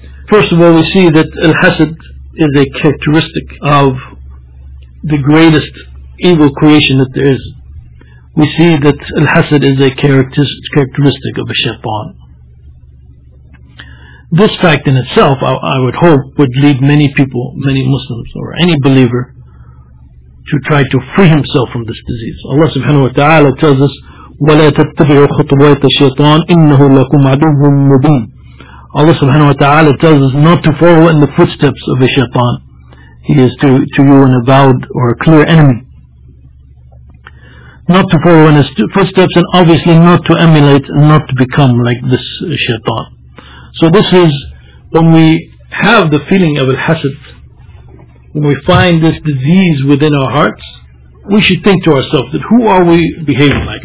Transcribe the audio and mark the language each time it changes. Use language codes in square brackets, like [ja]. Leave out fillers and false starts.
[en] First of all, we see that al-hasad is a characteristic of the greatest evil creation that there is. We see that al-hasad is a characteristic of a shaitan. This fact in itself, I would hope, would lead many people, many Muslims, or any believer, to try to free himself from this disease. Allah subhanahu wa ta'ala tells us, [ar] وَلَا تَتَّبِعُوا خُطُوَاتَ الشَّيْطَانِ إِنَّهُ لَكُمْ عَدُوٌّ مُّبِينٌ. [en] Allah subhanahu wa ta'ala tells us not to follow in the footsteps of a shaitan. He is to you an avowed or a clear enemy. Not to follow in his footsteps, and obviously not to emulate, not to become like this shaitan. So this is when we have the feeling of al-hasad, when we find this disease within our hearts, we should think to ourselves that who are we behaving like?